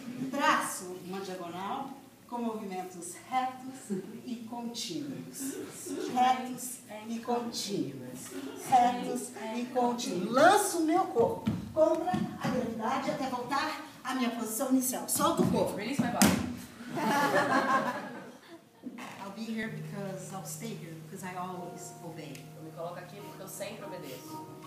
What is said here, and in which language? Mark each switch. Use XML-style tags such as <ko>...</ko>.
<pt>Traço uma diagonal. com movimentos retos e contínuos. Retos e contínuos. Retos e contínuos. Lanço o meu corpo contra a gravidade até voltar à minha posição inicial. Solta o corpo.</pt> <en>Release my body. I'll be here because I'll stay here because I always obey.</en> <pt>Eu me coloco aqui porque eu sempre obedeço.</pt>